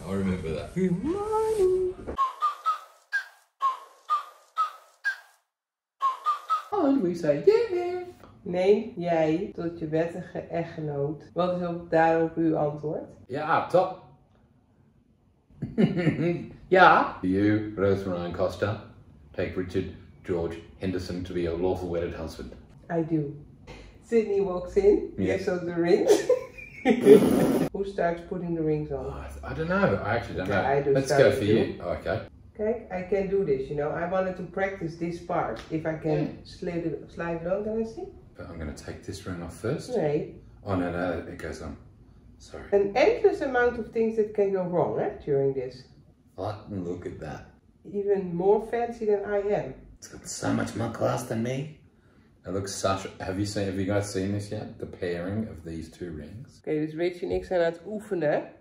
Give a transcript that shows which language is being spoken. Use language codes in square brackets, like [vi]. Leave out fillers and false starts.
[en] I remember that. Good morning. Oh, Louisa, yay! [nl] Neem jij tot je wettige echtgenoot. Wat is ook daarop uw antwoord? Ja, top. Ja? [en] You, Rose Marion Costa, take Richard George Henderson to be your lawful wedded husband. I do. Sydney walks in, yes, on the ring. Who starts putting the rings on? I don't know, I actually don't know. I do. Let's go for you. Okay. Kijk, I can do this, you know. I wanted to practice this part. If I can slide it on, can I see? But I'm going to take this ring off first. [nl] Nee. [en] Oh, no, it goes on. Sorry. An endless amount of things that can go wrong, eh, during this. What? Look at that. Even more fancy than I am. It's got so much more class than me. It looks such... Have you guys seen this yet? The pairing of these two rings? [nl] Okay, dus Rich en ik zijn aan het oefenen.